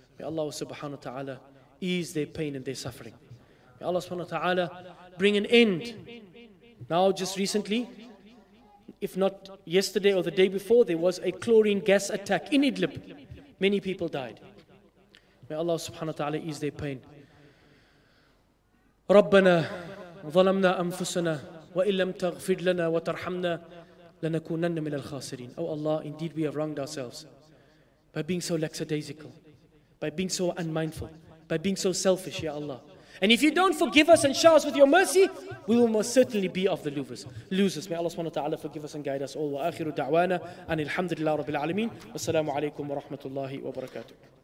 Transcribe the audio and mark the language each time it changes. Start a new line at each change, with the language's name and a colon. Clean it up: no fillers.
English: May Allah subhanahu wa ta'ala ease their pain and their suffering. May Allah subhanahu wa ta'ala bring an end. Now, just recently, if not yesterday or the day before, there was a chlorine gas attack in Idlib. Many people died. May Allah subhanahu wa ta'ala ease their pain.
Arabic: Rabbana ظلمنا أنفسنا وإن لم تغفر لنا وترحمنا لنكونن من الخاسرين.
English: Oh Allah, indeed we have wronged ourselves by being so lackadaisical, by being so unmindful, by being so selfish, Ya Allah. And if you don't forgive us and show us with your mercy, we will most certainly be of the losers. May Allah subhanahu wa ta'ala forgive us and guide us all.
Arabic: وآخر دعوانا أن الحمد لله رب العالمين والسلام عليكم ورحمة الله وبركاته.